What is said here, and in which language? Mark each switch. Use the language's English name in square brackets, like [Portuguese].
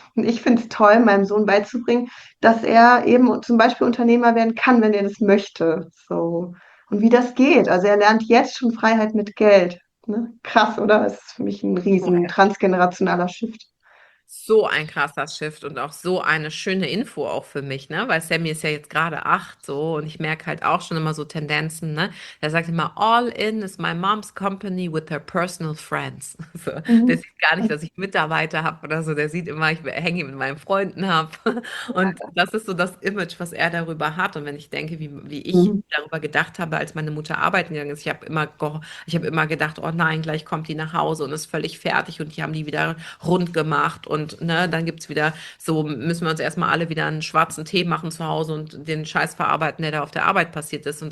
[German] Und ich finde es toll, meinem Sohn beizubringen, dass er eben zum Beispiel Unternehmer werden kann, wenn er das möchte. So. Und wie das geht. Also er lernt jetzt schon Freiheit mit Geld. Ne? Krass, oder? Das ist für mich ein Cool. riesen transgenerationaler Shift. So ein krasser Shift und auch so eine schöne Info auch für mich, ne? Weil Sammy ist ja jetzt gerade 8 so und ich merke halt auch schon immer so Tendenzen, ne? Er sagt immer, [English] all in is my mom's company with her personal friends. [German] So, der sieht gar nicht, dass ich Mitarbeiter habe oder so, der sieht immer, ich hänge mit meinen Freunden ab. Und das ist so das Image, was er darüber hat. Und wenn ich denke, wie ich darüber gedacht habe, als meine Mutter arbeiten gegangen ist. Ich hab immer gedacht, oh nein, gleich kommt die nach Hause und ist völlig fertig und die haben die wieder rund gemacht und ne, dann gibt es wieder so, müssen wir uns erstmal alle wieder einen schwarzen Tee machen zu Hause und den Scheiß verarbeiten, der da auf der Arbeit passiert ist.